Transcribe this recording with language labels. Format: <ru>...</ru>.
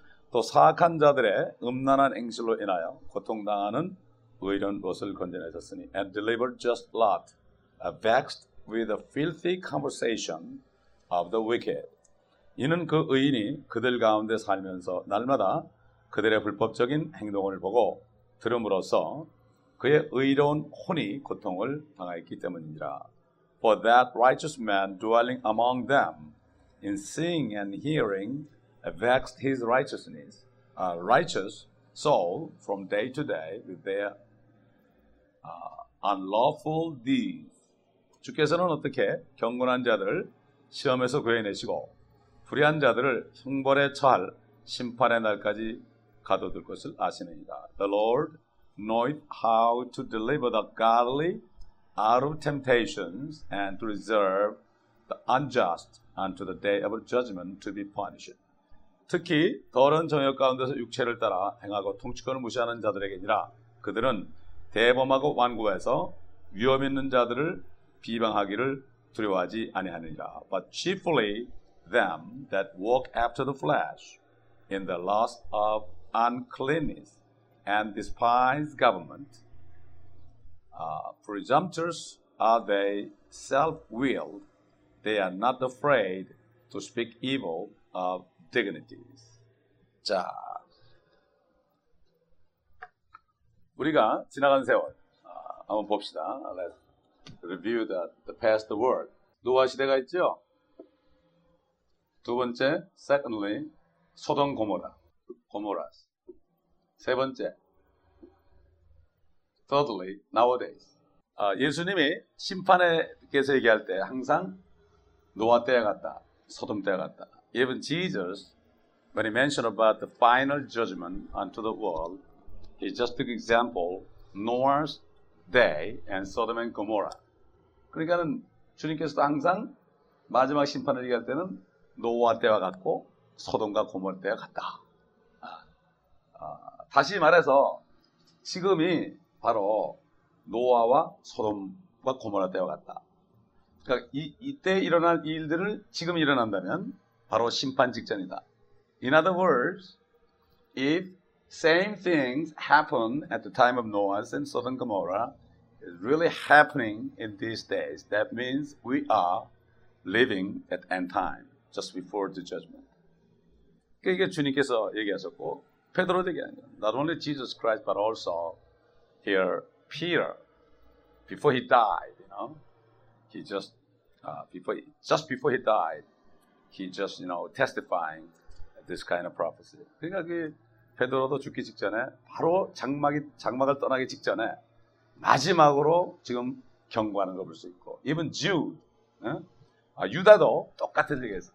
<ko>또 사악한 자들의 음란한 행실로 인하여 고통당하는 의로운 것을 건져내셨으니</ko> <en>And delivered just Lot, vexed with the filthy conversation of the wicked.</en> <ko>이는 그 의인이 그들 가운데 살면서 날마다 그들의 불법적인 행동을 보고 들음으로써 그의 의로운 혼이 고통을 당하였기 때문이라.</ko> <en>For that righteous man dwelling among them, in seeing and hearing, vexed his righteousness, a righteous soul from day to day with their unlawful deeds.</en> <ko>주께서는 어떻게 경건한 자들을 시험에서 구해내시고 불의한 자들을 형벌에 처할 심판의 날까지 가둬둘 것을 아시느니라.</ko> <en>The Lord knoweth how to deliver the godly out of temptations and to reserve the unjust unto the day of judgment to be punished.</en> <ko>특히 더러운 정욕 가운데서 육체를 따라 행하고 통치권을 무시하는 자들에게니라. 그들은 대범하고 완고해서 위험 있는 자들을 비방하기를 두려워하지 아니하느니라.</ko> <en>But chiefly them that walk after the flesh in the lust of uncleanness and despise government. Presumptuous are they, self-willed. They are not afraid to speak evil of dignities.</en> <ko>자, 우리가 지나간 세월 한번 봅시다.</ko> <en>Let's review the past word.</en> <ko>노아 시대가 있죠? 두 번째,</ko> <en>secondly,</en> <ko>소돔 고모라, 고모라. 세 번째,</ko> <en>thirdly, nowadays.</en> <ko>예수님이 심판에게서 얘기할 때 항상 노아 때와 같다, 소돔 때와 같다.</ko> <en>Even Jesus, when he mentioned about the final judgment unto the world, he just took example Noah's day and Sodom and Gomorrah.</en> <ko>그러니까는 주님께서도 항상 마지막 심판을 얘기할 때는 노아 때와 같고 소돔과 고모라 때와 같다. 다시 말해서 지금이 바로 노아와 소돔과 고모라 때와 같다. 그러니까 이때 일어날 일들을 지금 일어난다면 바로 심판 직전이다.</ko> <en>In other words, if same things happen at the time of Noah and Sodom and Gomorrah is really happening in these days, that means we are living at end time. Just before the judgment.</en> <ko>그게 주님께서 얘기하셨고 베드로도 얘기하는</ko> <en>Not only Jesus Christ, but also here Peter, before he died, you know, he just before he died, he just you know testifying this kind of prophecy.</en> <ko>그러니까 그 베드로도 죽기 직전에 바로 장막을 떠나기 직전에 마지막으로 지금 경고하는 거 볼 수 있고.</ko> <en>Even Jude, 응?</en> <ko>아, 유다도 똑같은 얘기했어.</ko>